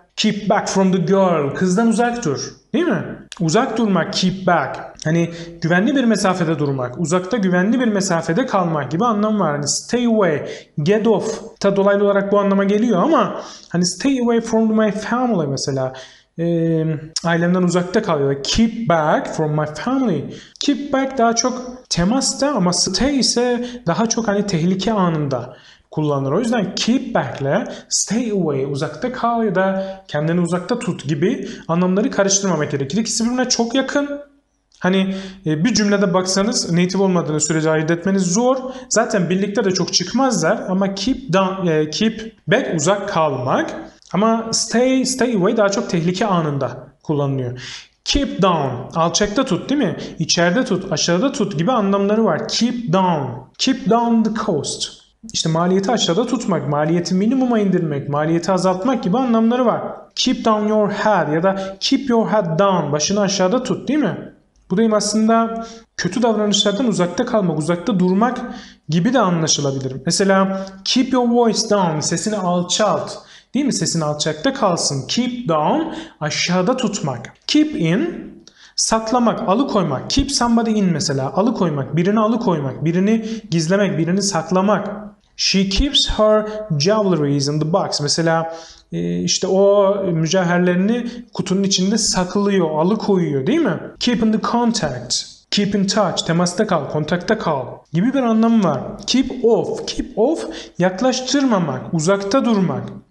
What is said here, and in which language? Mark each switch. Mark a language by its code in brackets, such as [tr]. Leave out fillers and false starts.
[en] Keep back from the girl, [tr] kızdan uzak dur, değil mi? Uzak durmak, keep back, hani güvenli bir mesafede durmak, uzakta güvenli bir mesafede kalmak gibi anlam var. Hani stay away, get off ta dolaylı olarak bu anlama geliyor ama hani [en] stay away from my family [tr] mesela, ailemden uzakta kalıyor. [en] Keep back from my family. [tr] Keep back daha çok temasta ama stay ise daha çok hani tehlike anında kullanılır. O yüzden keep back ile stay away, uzakta kal ya da kendini uzakta tut gibi anlamları karıştırmamak gerekir. İkisi birbirine çok yakın. Hani bir cümlede baksanız native olmadığınız sürece ayırt etmeniz zor. Zaten birlikte de çok çıkmazlar ama keep down, keep back uzak kalmak. Ama stay away daha çok tehlike anında kullanılıyor. Keep down, alçakta tut değil mi? İçeride tut, aşağıda tut gibi anlamları var. [en] Keep down, keep down the cost. [tr] İşte maliyeti aşağıda tutmak, maliyeti minimuma indirmek, maliyeti azaltmak gibi anlamları var. [en] Keep down your head ya da keep your head down, [tr] başını aşağıda tut değil mi? Bu da aslında kötü davranışlardan uzakta kalmak, uzakta durmak gibi de anlaşılabilir. Mesela [en] keep your voice down, [tr] sesini alçalt değil mi? Sesin alçakta kalsın. Keep down, aşağıda tutmak. Keep in, saklamak, alıkoymak. Keep somebody in mesela, alıkoymak, birini alıkoymak, birini gizlemek, birini saklamak. [en] She keeps her jewelries in the box. [tr] Mesela işte o mücevherlerini kutunun içinde saklıyor, alıkoyuyor değil mi? [en] Keep in the contact, keep in touch, [tr] temasta kal, kontakta kal gibi bir anlamı var. [en] Keep off, keep off, [tr] yaklaştırmamak, uzakta durmak.